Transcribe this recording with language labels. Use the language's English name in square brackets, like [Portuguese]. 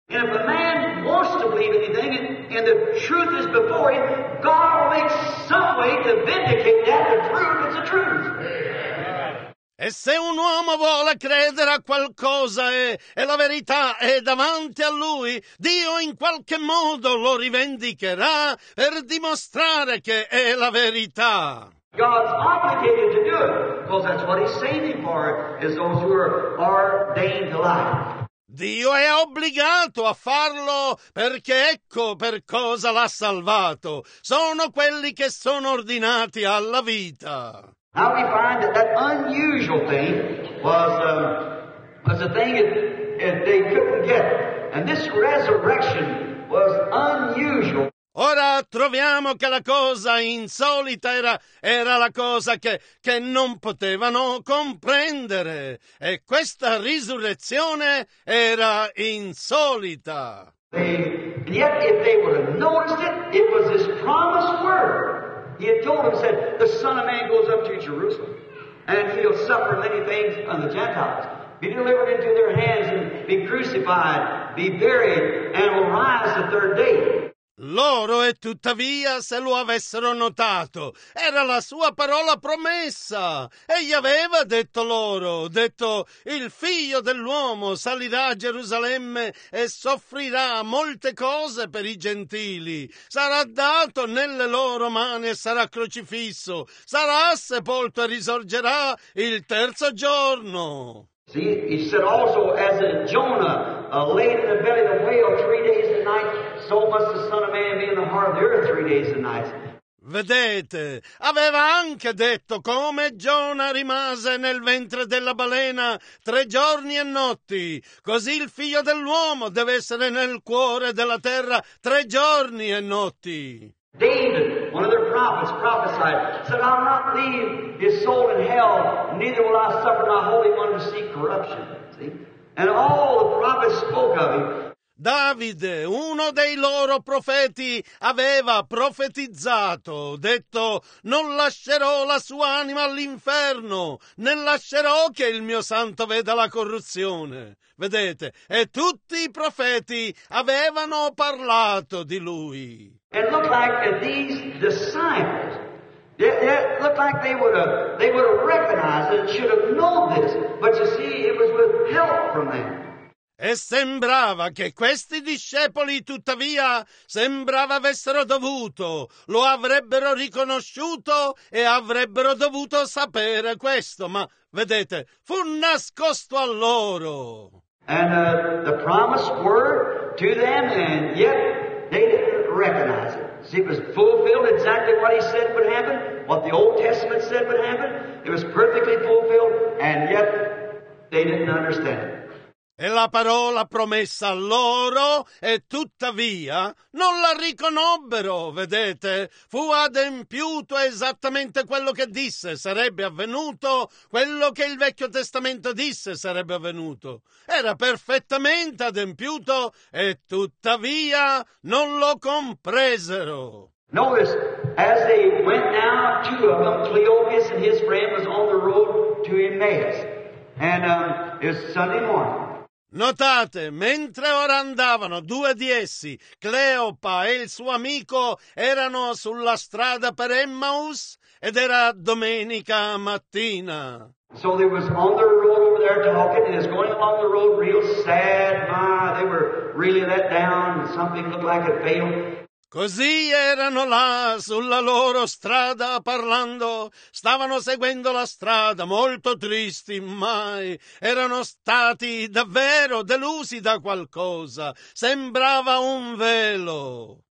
[English] And if a man wants to believe anything, and the truth is before him, God will make some way to vindicate that to prove it's the truth. [Italian] E se un uomo vuole credere a qualcosa e la verità è davanti a lui, Dio in qualche modo lo rivendicherà per dimostrare che è la verità. [English] God's obligated to do it, because that's what he's saving for, is those who are ordained alive. [Italian] Dio è obbligato a farlo perché ecco per cosa l'ha salvato. Sono quelli che sono ordinati alla vita. [English] Now we find that unusual thing was a thing that they couldn't get. And this resurrection was unusual. [Italian] Ora troviamo che la cosa insolita era la cosa che non potevano comprendere. E questa risurrezione era insolita. [English] And yet if they would have noticed it, it was his promised word. He had told him, said, the Son of Man goes up to Jerusalem, and he'll suffer many things on the Gentiles, be delivered into their hands, and be crucified, be buried, and will rise the third day. [Italian] Loro, e tuttavia, se lo avessero notato, era la sua parola promessa. Egli aveva detto loro, il figlio dell'uomo salirà a Gerusalemme e soffrirà molte cose per i gentili. Sarà dato nelle loro mani e sarà crocifisso. Sarà sepolto e risorgerà il terzo giorno. [English] See, he said also, as in Jonah laid in the belly of the whale 3 days and nights, so must the Son of Man be in the heart of the earth 3 days and nights. [Italian] Vedete, aveva anche detto come Giona rimase nel ventre della balena 3 giorni e notti, così il figlio dell'uomo deve essere nel cuore della terra 3 giorni e notti. [English] David, one of their prophets, prophesied, said, I'll not leave his soul in hell, neither will I suffer my Holy One to see corruption. See? And all the prophets spoke of him. [Italian] Davide, uno dei loro profeti, aveva profetizzato, detto, non lascerò la sua anima all'inferno, né lascerò che il mio santo veda la corruzione. Vedete, e tutti i profeti avevano parlato di lui. [English] It looked like these disciples, it looked like they would have recognized and should have known this, but you see, it was with help from them. [Italian] E sembrava che questi discepoli, tuttavia, sembrava avessero dovuto, lo avrebbero riconosciuto e avrebbero dovuto sapere questo. Ma, vedete, fu nascosto a loro. [English] And the promised word to them, and yet they didn't recognize it. See, it was fulfilled exactly what he said would happen, what the Old Testament said would happen. It was perfectly fulfilled, and yet they didn't understand it. [Italian] E la parola promessa a loro, e tuttavia, non la riconobbero, vedete? Fu adempiuto esattamente quello che disse sarebbe avvenuto, quello che il Vecchio Testamento disse sarebbe avvenuto. Era perfettamente adempiuto, e tuttavia, non lo compresero. [English] Notice, as they went down, two of them, Cleopas and his friend, was on the road to Emmaus. And it's Sunday morning. [Italian] Notate, mentre ora andavano, due di essi, Cleopa e il suo amico, erano sulla strada per Emmaus ed era domenica mattina. [English] So they was on the road over there talking, and it's going along the road real sad. My, they were really let down, something looked like it failed. [Italian] Così erano là sulla loro strada parlando, stavano seguendo la strada molto tristi, mai erano stati davvero delusi da qualcosa, sembrava un velo.